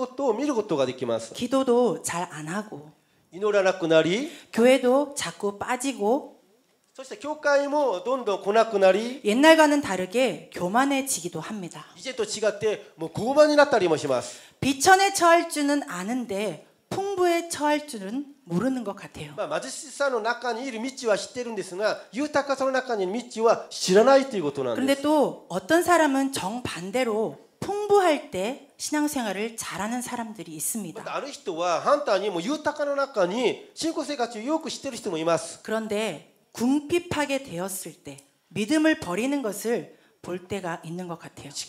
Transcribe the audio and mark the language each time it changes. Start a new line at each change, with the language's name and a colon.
Japanese: しかし問題が解決できたり、豊かになった時にはそのような信仰の態度が変わることを見ることができます。
Korean: 기도도 잘 안 하고
Japanese: 祈らなくなり
Korean: 교회도 자꾸 빠지고
Japanese: そして教会もどんどん来なくなり
Korean: 옛날과는 다르게 교만해지기도 합니다.
Japanese: 이제と違ってもう傲慢になったりもします。
Korean: 비천에 처할 줄은 아는데 풍부에 처할 줄은 모르는 것 같아요.
Japanese: 貧しさの中にいる道は知ってるんですが、豊かさの中にいる道は知らないということなんです。
Korean: 그런데 또 어떤 사람은 정반대로 풍부할 때 신앙생활을 잘하는 사람들이 있습니다.
Japanese: ある人は反対にも豊かの中に信仰生活をよく知ってる人もいます。
Korean: 그런데 궁핍하게 되었을 때 믿음을 버리는 것을 볼 때가 있는 것 같아요.